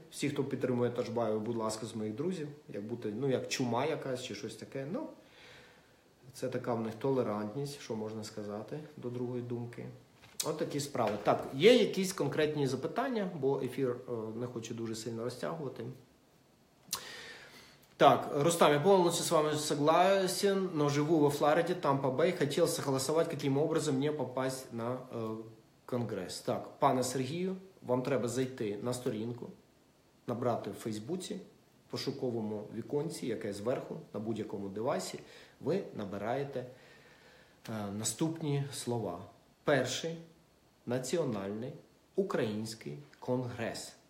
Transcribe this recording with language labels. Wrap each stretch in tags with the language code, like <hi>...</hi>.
<uk>Всі, хто підтримує Ташбаєва, будь ласка, з моїх друзів. Як бути, ну, як чума якась чи щось таке. Ну, це така в них толерантність, що можна сказати до другої думки. От такі справи. Так, є якісь конкретні запитання, бо ефір не хочу дуже сильно розтягувати.</uk> <ru>Так, Рустам, я повністю с вами согласен, но живу во Флориде, Тампа Бей, хотел согласовать, каким образом мне попасть на конгресс.</ru> <uk>Так, пане Сергію, вам треба зайти на сторінку, набрати в Фейсбуці, в пошуковому віконці, яке зверху, на будь-якому девайсі, ви набираєте наступні слова. Перший національний український конгрес.</uk>